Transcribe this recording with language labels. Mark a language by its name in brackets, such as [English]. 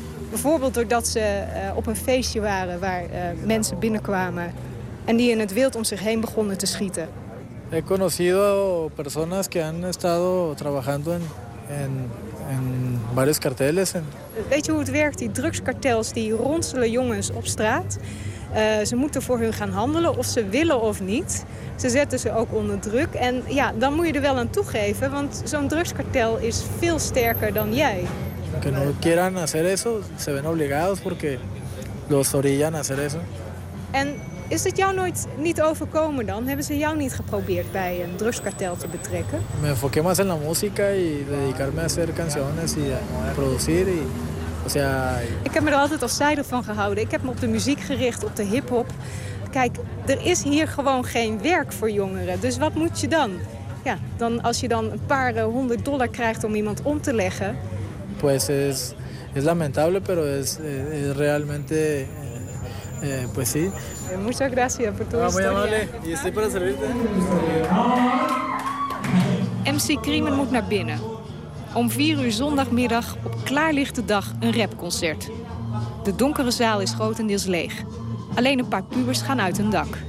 [Dutch] Bijvoorbeeld doordat ze op een feestje waren waar mensen binnenkwamen en die in het wild om zich heen begonnen te schieten. [Spanish] He conocido personas que han estado trabajando en varios carteles. [Dutch] Weet je hoe het werkt? Die drugskartels die ronselen jongens op straat. Ze moeten voor hun gaan handelen, of ze willen of niet. Ze zetten ze ook onder druk. En ja, dan moet je er wel aan toegeven, want zo'n drugskartel is veel sterker dan jij. [Spanish] Que no quieran hacer eso, se ven obligados porque los orillan a hacer eso. [Dutch] En is het jou nooit niet overkomen dan? Hebben ze jou niet geprobeerd bij een drugskartel te betrekken? [Spanish] Me enfoqué más en la música y dedicarme a hacer canciones y a producir y. [Dutch] Ik heb me er altijd afzijdig van gehouden. Ik heb me op de muziek gericht, op de hip-hop. Kijk, er is hier gewoon geen werk voor jongeren. Dus wat moet je dan? Ja, dan als je dan een paar $100 krijgt om iemand om te leggen. [Spanish] Pues es lamentable, pero es realmente. Pues sí. Muchas gracias por tu historia. Muy amable. Y estoy para servirte. [Dutch] MC Crimen moet naar binnen. Om 4 uur zondagmiddag op klaarlichte dag een rapconcert. De donkere zaal is grotendeels leeg. Alleen een paar pubers gaan uit hun dak.